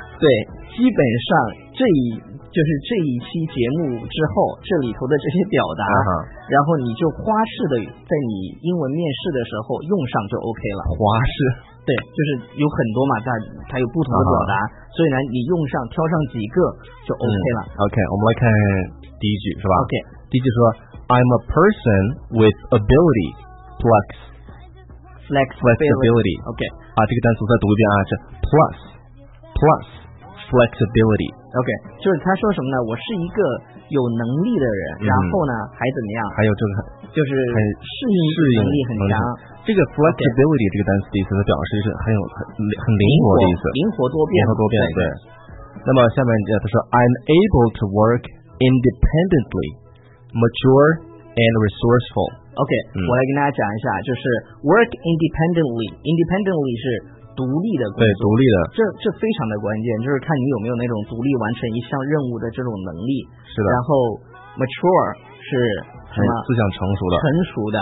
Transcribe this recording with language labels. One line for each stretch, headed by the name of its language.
Chinese: 对，基本上这一期节目之后，这里头的这些表达，然后你就花式的在你英文面试的时候用上就 OK 了。花式，对，就是有很多嘛，它有不同的表达，所以呢，你用上挑上几个就 OK 了。 OK， 我们来看第一句，是吧？OK，第一句说
English: ，I'm a person with ability plus flexibility。
Chinese: OK， 啊，这个单词再读一遍啊，是 plus
English: flexibility.
Chinese: OK， 就是他说什么呢？我是一个有能力的人，然后呢，还怎么样？还有这个，就是适应能力很强。这个 flexibility、 okay. 这个单词的意思，它表示是很灵活的意思，灵活多变，灵活多变。对。对，那么下面他说
English: ，I'm able to work independently, mature and resourceful.
Chinese: OK，、我来跟大家讲一下，就是 work independently。 independently 是独立的工作，对，独立的。这非常的关键，就是看你有没有那种独立完成一项任务的这种能力。是的。然后 mature 是什么？思想成熟的。成熟的。